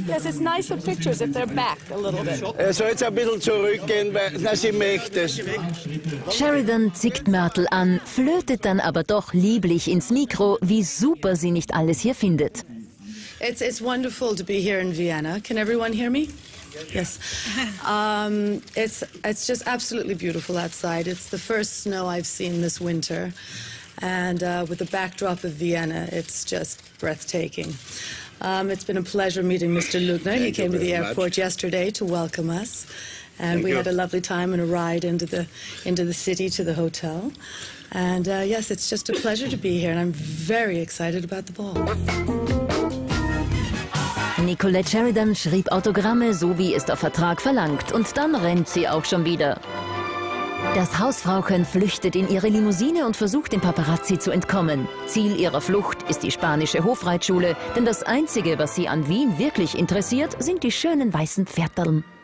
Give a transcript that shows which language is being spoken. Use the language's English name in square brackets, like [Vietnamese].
[English] Yes, it's nicer pictures if they're back a little bit. So it's a little [German] zurückgehen, na, sie möchte es. Sheridan zickt Myrtle an, flötet dann aber doch lieblich ins Mikro, wie super sie nicht alles hier findet. [English] It's wonderful to be here in Vienna. Can everyone hear me? Yes. It's just absolutely beautiful outside. It's the first snow I've seen this winter. And with the backdrop of Vienna, it's just breathtaking. It's been a pleasure meeting Mr. Lugner. He came to the airport yesterday to welcome us. And we had a lovely time and a ride into the city to the hotel. And yes, it's just a pleasure to be here. And I'm very excited about the ball. [German] Nicolette Sheridan schrieb Autogramme, so wie es der Vertrag verlangt. Und dann rennt sie auch schon wieder. Das Hausfrauchen flüchtet in ihre Limousine und versucht, dem Paparazzi zu entkommen. Ziel ihrer Flucht ist die spanische Hofreitschule. Denn das Einzige, was sie an Wien wirklich interessiert, sind die schönen weißen Pferderln.